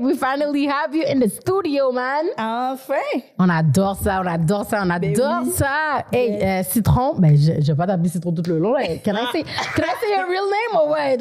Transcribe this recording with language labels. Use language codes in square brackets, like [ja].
[en] We finally have you in the studio, man. [fr] Enfin! On adore ça, on adore ça, on adore ça! Hey, yeah. Citron, ben je vais pas t'appeler Citron tout le long. [en] Like, can I say your real name or what?